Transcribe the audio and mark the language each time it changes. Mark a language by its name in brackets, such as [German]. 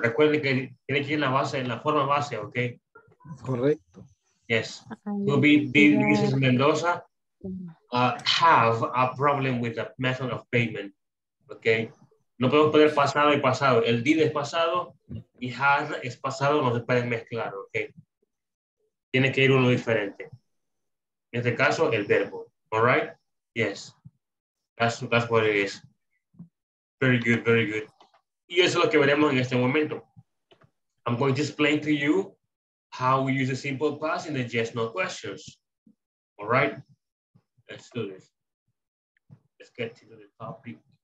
[Spanish] Recuerde que tiene que ir en la base, en la forma base, okay? Correcto. [English] Yes. This is Mendoza. Have a problem with the method of payment. [Spanish] Okay. No podemos poner pasado y pasado. El did es pasado y has es pasado, no se pueden mezclar. Okay. Tiene que ir uno diferente. En este caso, el verbo. [English] All right? Yes. That's what it is. Very good. [Spanish] Y eso es lo que veremos en este momento. [English] I'm going to explain to you how we use the simple past in the yes no questions. All right? Let's do this. Let's get to the topic.